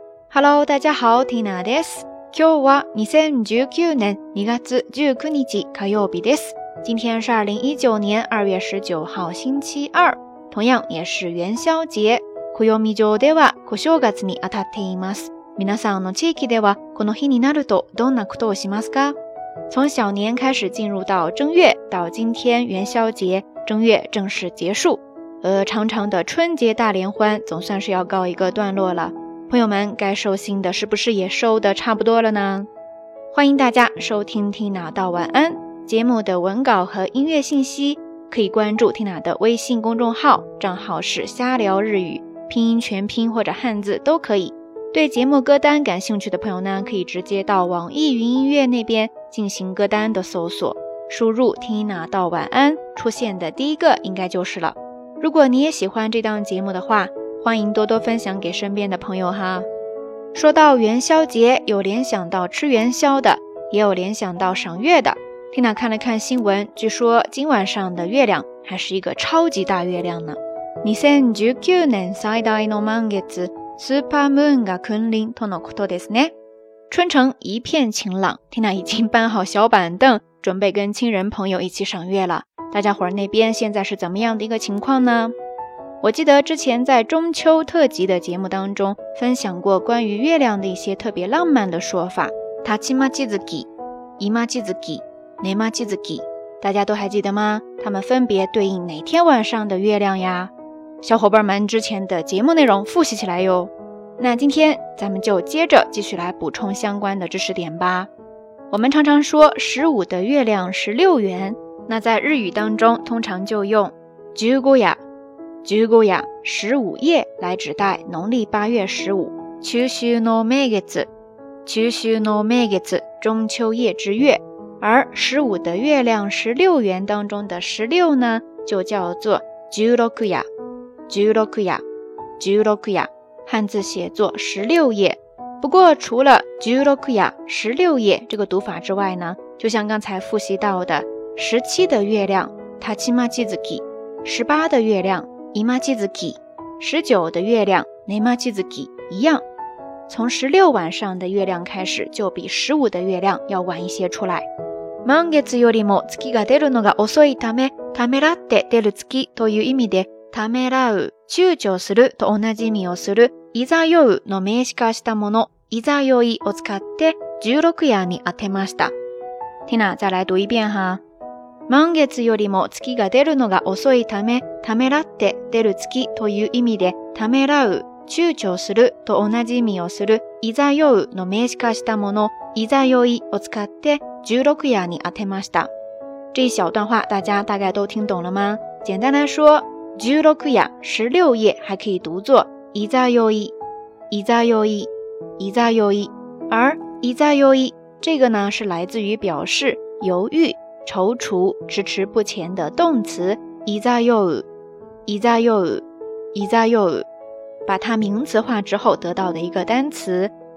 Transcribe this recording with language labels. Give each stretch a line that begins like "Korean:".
Japanese: Hello,
Chinese: 大家好
Japanese: ,Tina です。今日は2019年2月19日火曜日です。
Chinese: 今天是2019年2月19号星期二。同样也是元宵节。
Japanese: 暦上では小正月にあたっています。皆さんの地域ではこの日になるとどんなことをしますか？
Chinese: 从小年开始进入到正月，到今天元宵节，正月正式结束。长长的春节大联欢总算是要告一个段落了。朋友们，该收心的是不是也收得差不多了呢？欢迎大家收听 Tina 道晚安。节目的文稿和音乐信息可以关注 Tina 的微信公众号，账号是瞎聊日语，拼音全拼或者汉字都可以。对节目歌单感兴趣的朋友呢，可以直接到网易云音乐那边进行歌单的搜索，输入 Tina 道晚安，出现的第一个应该就是了。如果你也喜欢这档节目的话，欢迎多多分享给身边的朋友哈。说到元宵节，有联想到吃元宵的，也有联想到赏月的。 Tina 看了看新闻，据说今晚上的月亮还是一个超级大月亮呢。
Japanese: 2019年最大の満月、スーパームーンが君臨とのことですね。
Chinese: 春城一片晴朗， Tina 已经搬好小板凳，准备跟亲人朋友一起赏月了。大家伙那边现在是怎么样的一个情况呢？我记得之前在中秋特辑的节目当中分享过关于月亮的一些特别浪漫的说法，立ち待ち月、居待ち月、寝待ち月，大家都还记得吗？他们分别对应哪天晚上的月亮呀？小伙伴们之前的节目内容复习起来哟。那今天咱们就接着继续来补充相关的知识点吧。我们常常说十五的月亮是六圆，那在日语当中通常就用十五夜、十五夜、十五夜来指代农历八月十五。中秋の名月、中秋の名月、中秋夜之月。而十五的月亮十六圆当中的十六呢，就叫做十六夜、十六夜、十六夜，汉字写作十六夜。不过除了十六夜、十六夜这个读法之外呢，就像刚才复习到的十七的月亮、立ち待ち月、十八的月亮、居待ち月、十九的月亮、寝待ち月一样，从十六晚上的月亮开始就比十五的月亮要晚一些出来。
Japanese: 満月よりも月が出るのが遅いため、ためらって出る月という意味で、ためらう、躊躇すると同じ意味をする、いざよう、の名詞化したもの、いざよいを使って十六夜に当てました。
Chinese: ティナ、再来读一遍哈。
Japanese: 満月よりも月が出るのが遅いため、ためらって出る月という意味で、ためらう、躊躇すると同じ意味をする、いざようの名詞化したもの、いざよいを使って十六夜に当てました。
Chinese: 这一小段话大家大概都听懂了吗？简单来说，十六夜、十六夜还可以读作いざよい、いざよい、いざよい。而いざよい这个呢是来自于表示犹豫、踌躇、迟迟不前的动词いざよう、いざよう、いざよう，把它名词化之后得到的一个单词。